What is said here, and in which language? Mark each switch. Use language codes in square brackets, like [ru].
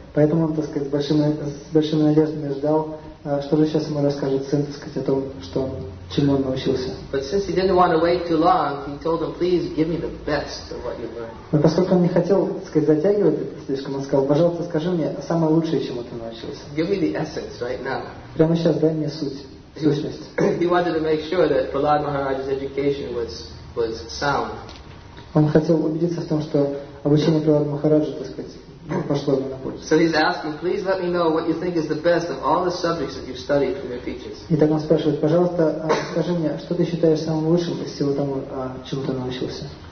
[ru] Поэтому он, так сказать, с большими надеждами ждал, что же сейчас ему расскажет сын, так сказать, о том, чему он научился. [en] But since he didn't want to wait too long, he told him, please give me the best of what you learned. [ru] Но поскольку он не хотел, так сказать, затягивать это слишком, он сказал, пожалуйста, скажи мне самое лучшее, чему ты научился. [en] Give me the essence right now. [ru] Прямо сейчас дай мне суть, сущность. [en] He wanted to make sure that Prahlad Maharaj's education was sound. [ru] Он хотел убедиться в том, что обучение Прохлада Махараджа, так сказать, пошло ему на пользу. [en] So he's asking, please let me know what you think is the best of all the subjects that you've studied from your teachers. [ru] И так он спрашивает, пожалуйста, скажи мне, что ты считаешь самым лучшим из всего того, чему ты научился.